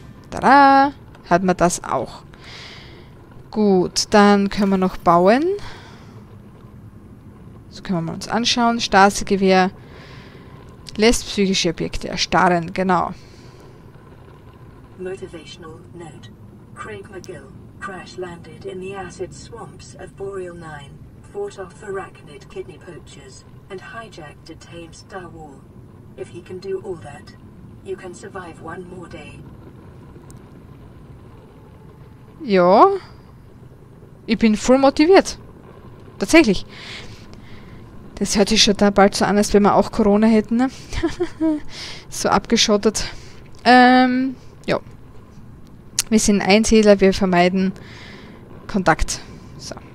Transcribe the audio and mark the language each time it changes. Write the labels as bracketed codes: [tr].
[de] Tada! Hat man das auch. Gut, dann können wir noch bauen. So können wir mal uns anschauen. Stasi-Gewehr lässt psychische Objekte erstarren. [en] Genau. Motivational Note. Craig McGill crash-landed in the acid swamps of Boreal 9, fought off arachnid kidney poachers, and hijacked a tamed Star Wall. If he can do all that, you can survive one more day. [de] Ja, ich bin voll motiviert. Tatsächlich. Das hört sich schon da bald so an, als wenn wir auch Corona hätten. Ne? So abgeschottet. Ja. Wir sind Einsiedler, wir vermeiden Kontakt. So.